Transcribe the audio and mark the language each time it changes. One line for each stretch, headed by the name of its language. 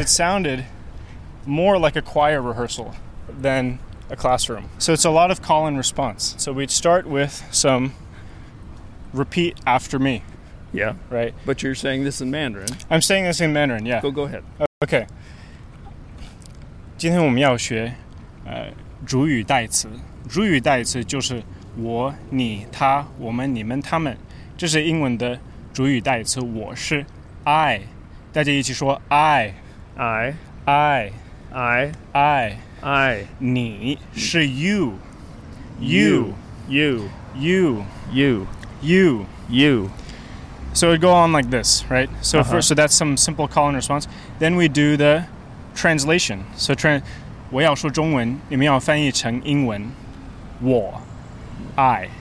English: It sounded more like a choir rehearsal than a classroom. So it's a lot of call and response. So we'd start with some repeat after me. Yeah. Right. But you're saying this in Mandarin. I'm saying this in Mandarin, yeah. Go ahead. Okay.
Chinese: 今天我们要学, 主语代词。主语代词就是我、你、他、我们、你们、他们。这是英文的主语代词,我是 I. 大家一起说 I.
English: I. I. I. I. I.
Chinese: 你是 you.
English: You. You. You. You. You. You. So it'd go on like this, right? So uh-huh. First, so that's some simple call and response. Then we do the translation. So
Chinese: 我要说中文,你们要翻译成英文。我 I.